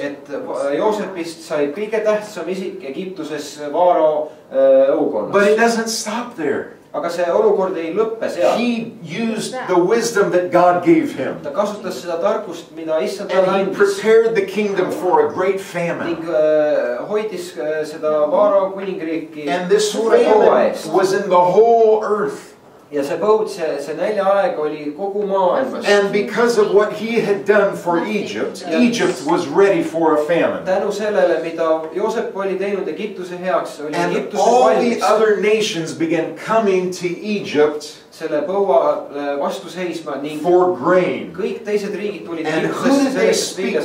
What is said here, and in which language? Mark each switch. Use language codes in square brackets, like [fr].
[et] Et Joosepist sai kõige tähtsam isik Egiptuses Faarao õukonnas. [en] But it doesn't stop there. [et] Aga see olukord ei lõppe seal. [en] He used the wisdom that God gave him. [et] Ta kasutas seda tarkust, mida issand andis. [en] And he prepared the kingdom for a great famine. [et] Ning hoidis seda Faarao kuningriiki. [en] And this famine was in the whole earth. [et] Ja see põud, see nälja aeg oli kogu maailmas. [en] And because of what he had done for Egypt, Egypt was ready for a famine. [et] Tänu sellele, mida Joosep oli teinud Egiptuse heaks, oli Egiptuse valmis. [en] And all the other nations began coming to Egypt [et] selle põua vastu seisma ning [en] for grain. [et] Kõik teised riigid tulid Egiptusest.